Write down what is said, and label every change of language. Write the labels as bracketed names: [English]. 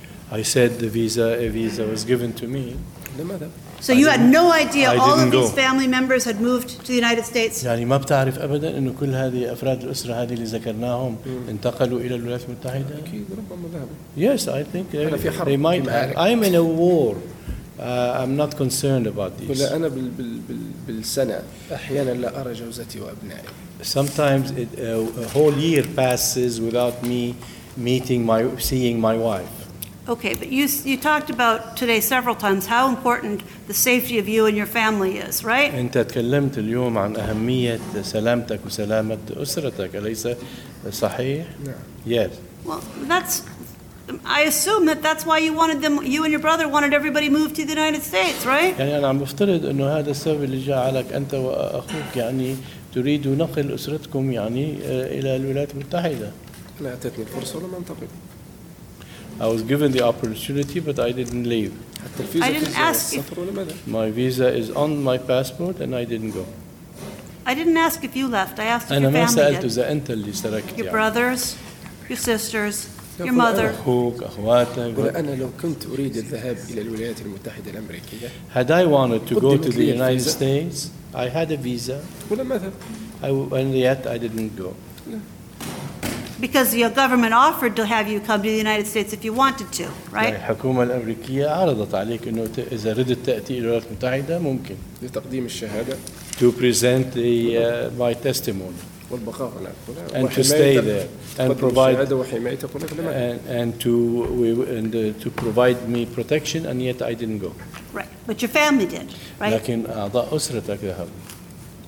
[English] I said the visa, a visa was given to me. So you had no idea all of these family members had moved to the United States? [Arabic] يعني ما بتعرف ابدا انه كل هذه افراد الاسره هذه اللي ذكرناهم انتقلوا الى الولايات المتحده؟ [English] Yes, I think they might have. I'm in a war. I'm not concerned about this. [Arabic] ولا انا بالسنه احيانا لا ارى جوزتي وابنائي. [English] Sometimes a whole year passes without me seeing my wife. Okay, but you talked about today several times how important the safety of you and your family is, right? [Arabic] أنت تكلمت اليوم عن أهمية سلامتك وسلامة أسرتك، أليس صحيح؟ نعم. [English] Yes. Well, I assume that's why you wanted them. You and your brother wanted everybody moved to the United States, right? [Arabic] يعني أنا عم بفترض إنه هذا السبب اللي جعلك أنت وأخوك يعني تريدوا نقل أسرتكم يعني إلى الولايات المتحدة. أنا أعطتني الفرصة ولم أنتقل. [English] I was given the opportunity, but I didn't leave. I didn't ask you. My visa is on my passport, and I didn't go. I didn't ask if you left. I asked if your family did. [Arabic] أنت اللي سرقت يعني. [English] Your brothers, your sisters, your mother. [Arabic] أخوك أخواتك. قل أنا لو كنت أريد الذهاب إلى الولايات المتحدة الأمريكية. [English] Had I wanted to go to the United States, I had a visa. [Arabic] قل ماذا؟ [English] And yet I didn't go. Because your government offered to have you come to the United States if you wanted to, right? [Arabic] الحكومة الأمريكية عرضت عليك إنه إذا ردت تأتي إلى الولايات المتحدة ممكن. لتقديم الشهادة. [English] To present my testimony. [Arabic] والبقاء هناك. [English] And to stay there and provide. [Arabic] الشهادة وحمايتك هناك. [English] And to provide me protection and yet I didn't go. Right, but your family did, right? [Arabic] لكن أعضاء أسرتك ذهبوا.